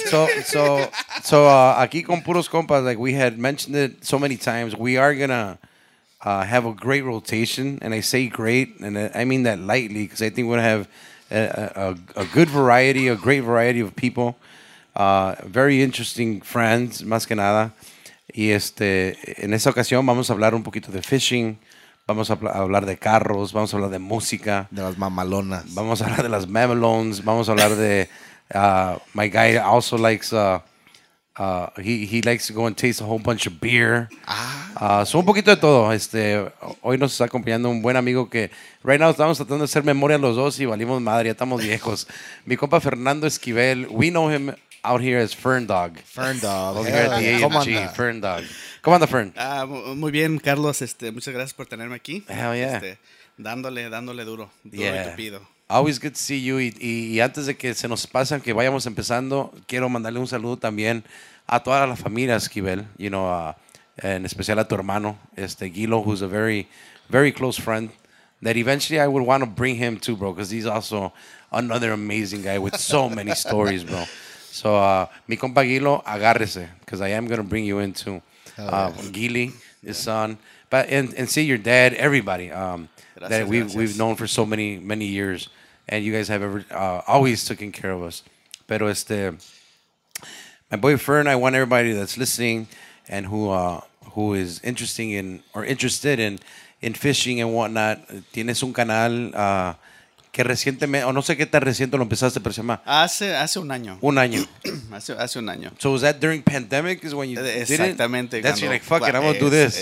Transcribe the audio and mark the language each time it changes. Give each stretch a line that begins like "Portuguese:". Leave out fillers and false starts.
English: So,
Spanish: aquí con puros compas,
English: like we had mentioned it so many times, we are going to have a great rotation. And I say great, and I mean that lightly because I think we're going to have a good variety, a great variety of people, very interesting friends,
Spanish: más que nada. Y en esta ocasión vamos a hablar un poquito de fishing. Vamos a hablar de carros, vamos a hablar de música. De las mamalonas. Vamos a hablar de las mamalones. Vamos a hablar de...
English: my guy also likes... he likes to go and taste a whole bunch of beer. So
Spanish: un poquito de todo. Hoy nos está acompañando un buen amigo que...
English: Right now
Spanish: estamos tratando de hacer memoria los dos y valimos madre, ya estamos viejos. Mi compa Fernando Esquivel.
English: We know him out here as Fern Dog. Fern Dog. Over here at the AMG. Fern Dog.
Spanish: ¿Cómo anda,
English: Fern?
Spanish: Muy bien, Carlos. Muchas gracias por tenerme aquí.
English: Hell yeah.
Spanish: Dándole duro. Duro y tupido.
English: Always good to see you.
Spanish: Y antes de que se nos pasen, que vayamos empezando, quiero mandarle un saludo también a toda la familia Esquivel.
English: You know,
Spanish: en especial a tu hermano,
English: Gilo, who's a very, very close friend. That eventually I would want to bring him too, bro, because he's also another amazing guy with so many stories, bro. So,
Spanish: mi compa Gilo, agárrese,
English: because I am going to bring you in too. Gili, his son, but and see your dad, everybody that we've known for so many years, and you guys have ever always taken care of us. Pero my boy Fern, I want everybody that's listening and who is interested in fishing and whatnot.
Spanish: Tienes un canal que recientemente, o no sé qué tan reciente lo empezaste, pero se llama... Hace un año. Un año. hace un año.
English: So, was that during pandemic is when you
Spanish: exactamente
English: did it? That's cuando, like, fuck it, I'm gonna do this.